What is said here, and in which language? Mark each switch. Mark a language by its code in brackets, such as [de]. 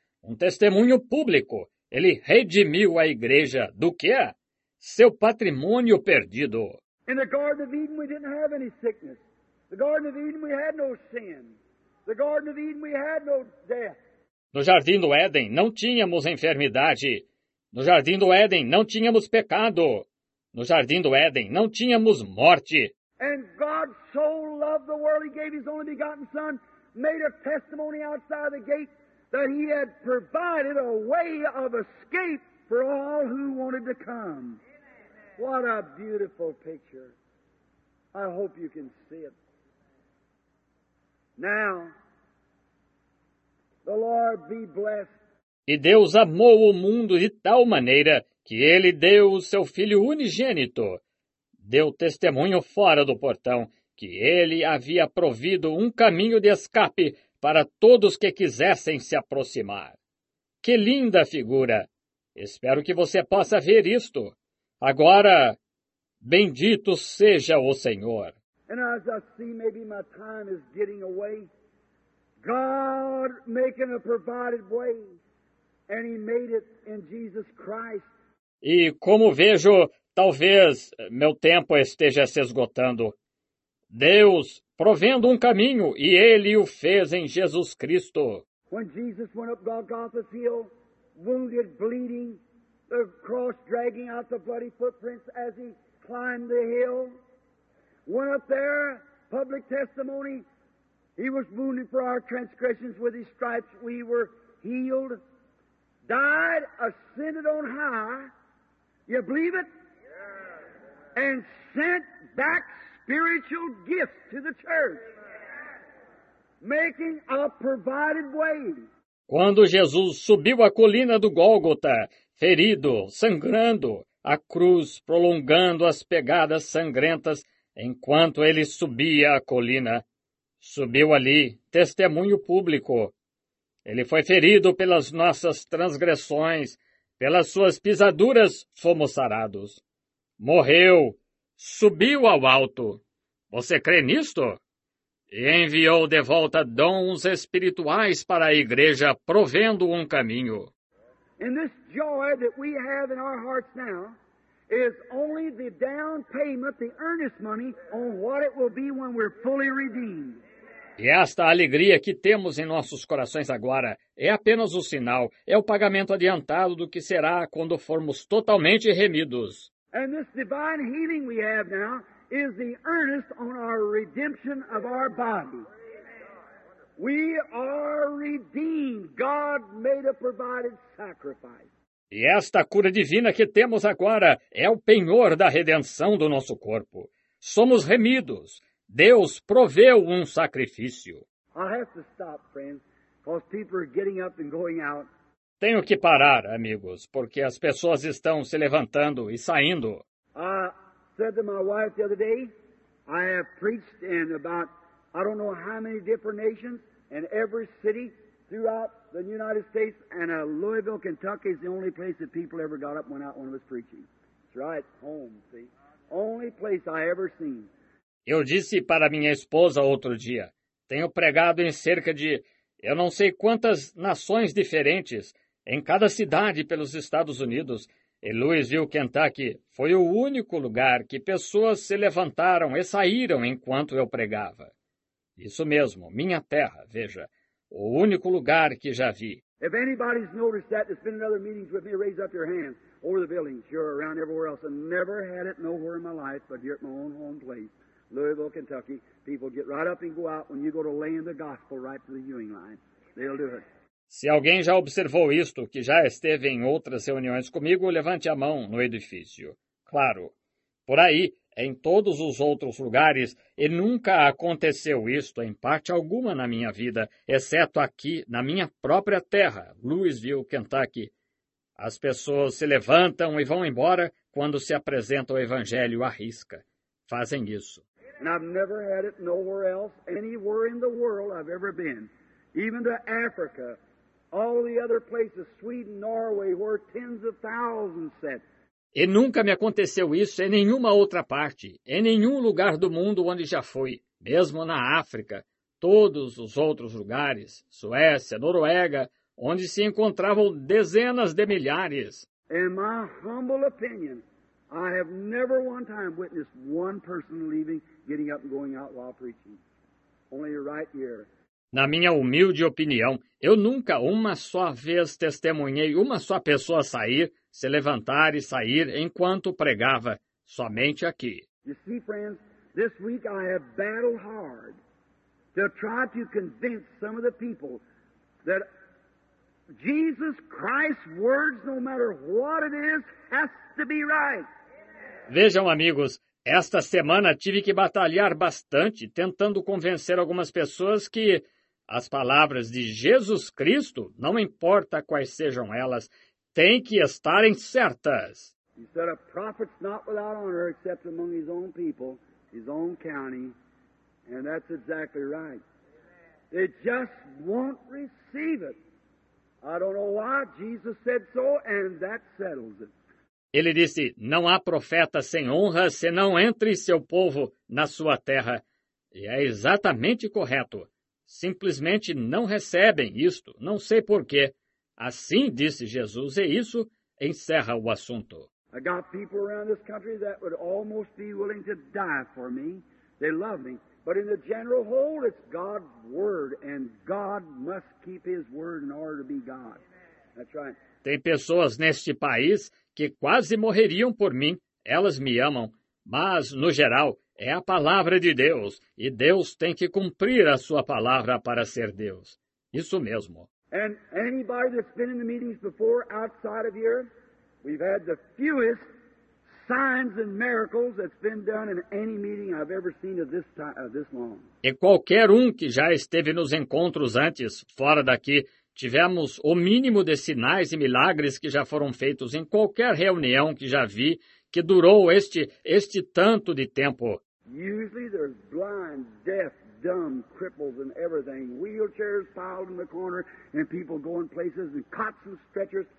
[pt] Um testemunho público, ele redimiu a igreja do quê? Seu patrimônio perdido. [en] In the Garden of Eden we didn't have any sickness. The Garden of Eden we had no sin. The Garden of Eden we had no death. [pt] No Jardim do Éden não tínhamos enfermidade. No Jardim do Éden não tínhamos pecado. No Jardim do Éden não tínhamos morte. [en] And God so loved the world he gave his only begotten son, made a testimony outside the gate that he had provided a way of escape for all who wanted to come. What a beautiful picture. I hope you can see it. Now, the Lord be blessed. [pt] E Deus amou o mundo de tal maneira que ele deu o seu filho unigênito. Deu testemunho fora do portão que ele havia provido um caminho de escape para todos que quisessem se aproximar. Que linda figura! Espero que você possa ver isto. Agora, bendito seja o Senhor. [en] And as I see, maybe my time is getting away. God making a provided way, and he made it in Jesus Christ. [pt] E como vejo, talvez meu tempo esteja se esgotando. Deus provendo um caminho, e ele o fez em Jesus Cristo. [en] When Jesus went up Golgotha's hill, wounded, bleeding, the cross dragging out the bloody footprints as he climbed the hill. Went up there, public testimony. He was wounded for our transgressions. With his stripes we were healed. Died, ascended on high. You believe it? And sent back spiritual gifts to the church. Making a provided way. [pt] Quando Jesus subiu a colina do Gólgota, ferido, sangrando, a cruz prolongando as pegadas sangrentas enquanto ele subia a colina, subiu ali, testemunho público. Ele foi ferido pelas nossas transgressões, pelas suas pisaduras fomos sarados. Morreu, subiu ao alto. Você crê nisto? E enviou de volta dons espirituais para a igreja, provendo um caminho. [en] And this joy that we have in our hearts now is only the down payment, the earnest money, on what it will be when we're fully redeemed. [pt] E esta alegria que temos em nossos corações agora é apenas o sinal, é o pagamento adiantado do que será quando formos totalmente remidos. [en] And this divine healing we have now is the earnest on our redemption of our body. We are redeemed. God made a provided sacrifice. [pt] E esta cura divina que temos agora é o penhor da redenção do nosso corpo. Somos remidos. Deus proveu um sacrifício. [en] I have to stop, friends, because people are getting up and going out. [pt] Tenho que parar, amigos, porque as pessoas estão se levantando e saindo. [en] I said to my wife the other day, I have preached in about I don't know how many different nations and every city throughout the United States, and Louisville, Kentucky is the only place that people ever got up and went out when I was preaching. It's right home, see? Only place I ever seen. [pt] Eu disse para minha esposa outro dia, tenho pregado em cerca de, eu não sei quantas nações diferentes, em cada cidade pelos Estados Unidos, e Louisville, Kentucky, foi o único lugar que pessoas se levantaram e saíram enquanto eu pregava. Isso mesmo, minha terra, veja, o único lugar que já vi. [en] If anybody's noticed that, there's been in other meetings with me, raise up your hand, over the buildings, you're around everywhere else, and never had it nowhere in my life, but here at my own home place, Louisville, Kentucky, people get right up and go out when you go to lay in the gospel right to the Ewing line. They'll do it. [pt] Se alguém já observou isto, que já esteve em outras reuniões comigo, levante a mão no edifício. Claro, por aí, em todos os outros lugares, e nunca aconteceu isto em parte alguma na minha vida, exceto aqui, na minha própria terra, Louisville, Kentucky. As pessoas se levantam e vão embora quando se apresenta o evangelho à risca. fazem isso. [en] And I've never had it nowhere else, anywhere in the world I've ever been. Even to Africa, all the other places, Sweden, Norway, where tens of thousands sat. [pt] E nunca me aconteceu isso em nenhuma outra parte, em nenhum lugar do mundo onde já fui, mesmo na África, todos os outros lugares, Suécia, Noruega, onde se encontravam dezenas de milhares. [en] In my humble opinion, I have never one time witnessed one person leaving, getting up and going out while preaching. Only right here. [pt] Na minha humilde opinião, eu nunca uma só vez testemunhei uma só pessoa sair, se levantar e sair enquanto pregava, somente aqui. [en] You see, friends, this week I have battled hard to try to convince some of the people that Jesus Christ's words, no matter what it is, has to be right. [pt] Vejam, amigos, esta semana tive que batalhar bastante tentando convencer algumas pessoas que as palavras de Jesus Cristo, não importa quais sejam elas, têm que estarem certas. [en] He said a prophet's not without honor except among his own people, his own county, and that's exactly right. They just won't receive it. I don't know why Jesus said so, and that settles it. [pt] Ele disse, não há profeta sem honra senão entre seu povo na sua terra. E é exatamente correto. Simplesmente não recebem isto, não sei porquê. Assim disse Jesus, e isso encerra o assunto. [en] I got people around this country that would almost be willing to die for me. They love me. But in the general whole, it's God's word, and God must keep his word in order to be God. That's right. [pt] Tem pessoas neste país que quase morreriam por mim, elas me amam, mas, no geral, é a palavra de Deus, e Deus tem que cumprir a sua palavra para ser Deus. Isso mesmo. [en] And anybody that's been in the meetings before, outside of here, we've had the fewest signs and miracles that's been done in any meeting I've ever seen of this time, of this long. [pt] E qualquer que já esteve nos encontros antes, fora daqui, tivemos o mínimo de sinais e milagres que já foram feitos em qualquer reunião que já vi, que durou este tanto de tempo. [en] Usually there's blind, deaf, dumb, cripples and everything. Wheelchairs piled in the corner and people going places and cots and stretchers.